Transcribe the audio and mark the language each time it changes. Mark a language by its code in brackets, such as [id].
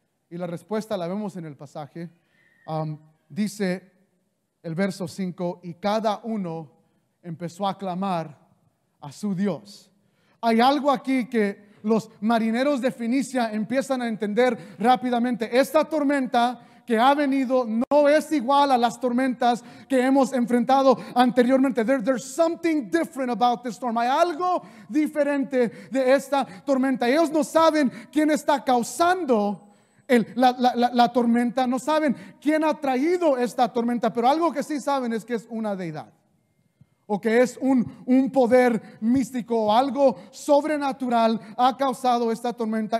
[es] Y la respuesta la vemos en el pasaje. Dice el verso 5, y cada uno empezó a clamar a su Dios. Hay algo aquí que los marineros de Fenicia empiezan a entender rápidamente. Esta tormenta que ha venido no es igual a las tormentas que hemos enfrentado anteriormente. [en] There's something different about this storm. [es] Hay algo diferente de esta tormenta. Ellos no saben quién está causando la tormenta. No saben quién ha traído esta tormenta. Pero algo que sí saben es que es una deidad. O que es un poder místico o algo sobrenatural ha causado esta tormenta.